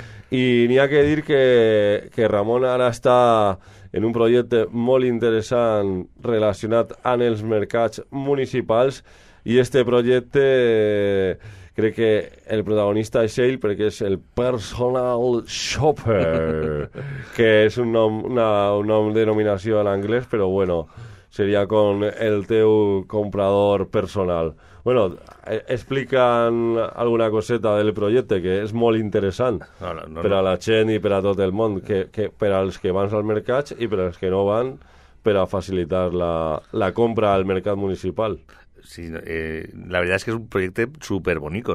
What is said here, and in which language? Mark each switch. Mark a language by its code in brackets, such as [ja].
[es] Y ni hay que decir que Ramón ahora está en un proyecto muy interesante relacionado con los mercados municipales, y este proyecto creo que el protagonista es él, porque es el Personal Shopper, que es una denominación en inglés, pero bueno, sería con [ca] el teu [es] comprador personal. Bueno, explican alguna coseta del proyecto, que es muy interesante, [ca] Per a la gent i per a tot el món, que per als que van al mercat i per als que no van, per a facilitar la compra al mercat municipal. [es] Sí, la verdad es que es un proyecto súper bonico.